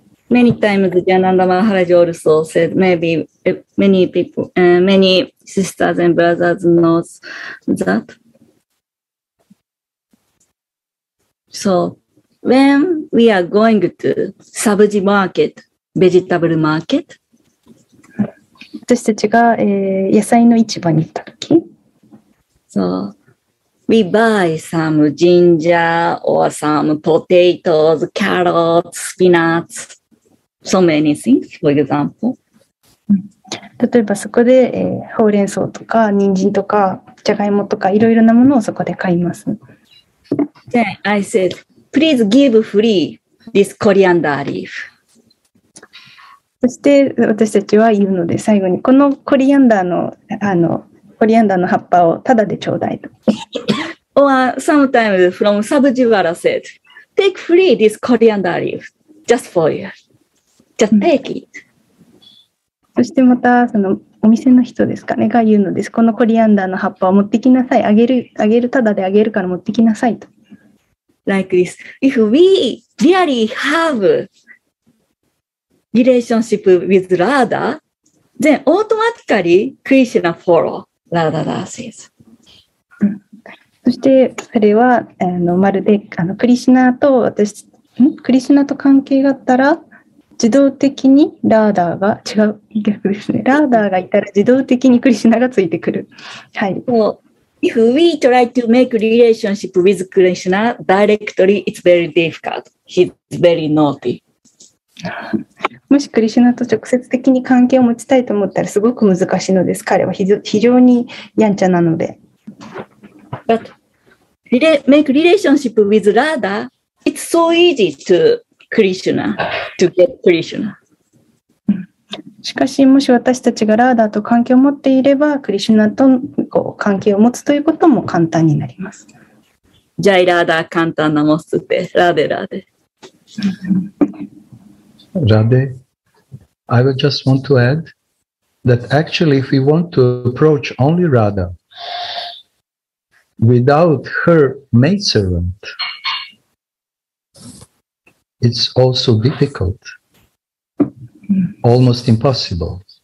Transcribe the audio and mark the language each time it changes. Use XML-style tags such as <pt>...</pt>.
<en>Many times, Jananda Maharaj also said, maybe many people, many sisters and brothers knows that. So, when we are going to sabji market, vegetable market,</en> <ja>私たちが、野菜の市場に行った時、</ja> <en>So, we buy some ginger or some potatoes, carrots, spinach. So many things, for example.</en> <ja>例えばそこで、ほうれん草とか人参とかじゃがいもとかいろいろなものをそこで買います。</ja> <en>Then I said, please give free this coriander leaf.</en> <ja>そして私たちは言うので、最後にこのコリアンダーの、コリアンダーの葉っぱをタダでちょうだいと。</ja> <en>Or sometimes from Sabjiwara said, take free this coriander leaf just for you. Just take it.</en> <ja>そしてまたそのお店の人ですかねが言うのです。このコリアンダーの葉っぱを持ってきなさい、あげるただであげるから持ってきなさいと。 Like this.</ja> <en>If we really have relationship with Radha, then automatically Krishna follow Radha dances.</en> <ja>そしてそれはまるでクリシナと私んクリシナと関係があったら、自動的にラーダーが違う逆ですね。ラーダーがいたら自動的にクリシュナがついてくる。はい。</ja> <en>So, if we try to make relationship with Krishna directly, it's very difficult. He's very naughty.</en> <ja>もしクリシュナと直接的に関係を持ちたいと思ったらすごく難しいのです。彼は非常にやんちゃなので。</ja> <en>But make relationship with Radha, it's so easy to. Krishna, to get Krishna.</en> <ja>しかしもし私たちがラーダーと関係を持っていれば、クリシュナとこう関係を持つということも簡単になります。ジャイラーダー簡単なモスってラデラデラデ。</ja> <en>I would just want to add that actually if we want to approach only Radha, without her maidservant, it's also difficult, almost impossible.</en>